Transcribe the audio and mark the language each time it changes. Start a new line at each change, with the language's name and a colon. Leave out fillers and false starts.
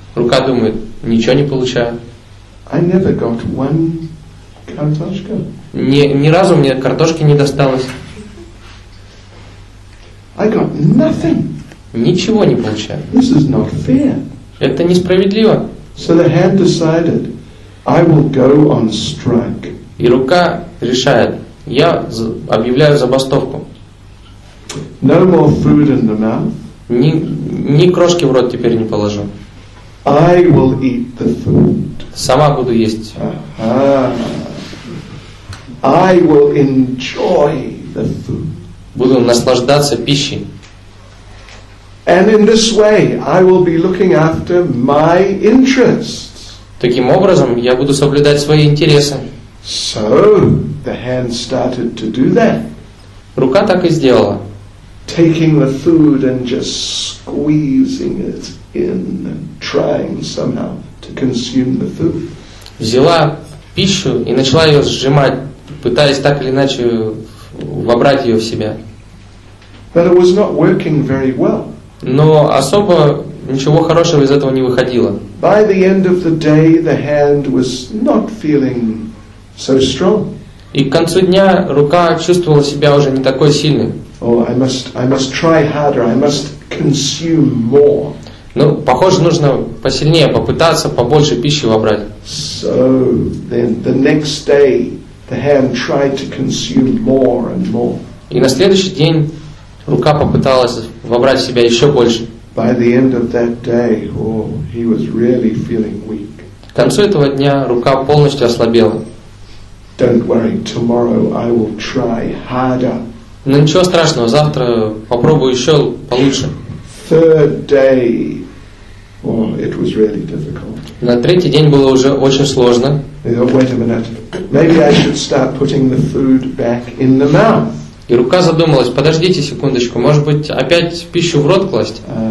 Russian: Рука думает, ничего не получаю.
English: I never got one картошка.
Russian: Ни разу мне картошки не досталось.
English: I got nothing.
Russian: Ничего не получаю.
English: This is not fair.
Russian: Это несправедливо.
English: So the hand decided, I will go on strike.
Russian: И рука решает, я объявляю забастовку.
English: No more food in the mouth.
Russian: Ни крошки в рот теперь не положу.
English: I will eat the food.
Russian: Сама буду есть.
English: Uh-huh. I will enjoy the food.
Russian: Буду наслаждаться пищей.
English: And in this way, I will be looking after my interests.
Russian: Таким образом, я буду соблюдать свои интересы.
English: So the hand started to do that.
Russian: Рука так и сделала.
English: Taking the food and just squeezing it in, and trying somehow to consume the food.
Russian: Взяла пищу и начала ее сжимать, пытаясь так или иначе вобрать ее в себя.
English: But it was not working very well.
Russian: Но особо ничего хорошего из этого не выходило.
English: By the end of the day, the hand was not feeling so strong.
Russian: И к концу дня рука чувствовала себя уже не такой сильной.
English: Oh, I must try harder. I must consume more.
Russian: Ну, похоже, нужно посильнее попытаться, побольше пищи вобрать.
English: So then the next day the hand tried to consume more and more.
Russian: И на следующий день рука попыталась вобрать в себя еще больше.
English: By the end of that day, oh, he was really feeling weak.
Russian: К концу этого дня рука полностью ослабела.
English: Don't worry, tomorrow I will try harder.
Russian: Ну ничего страшного, завтра попробую еще получше.
English: Third day, oh, it was really difficult.
Russian: На третий день было уже очень сложно.
English: Wait a minute, maybe I should start putting the food back in the mouth.
Russian: И рука задумалась, подождите секундочку, может быть опять пищу в рот класть?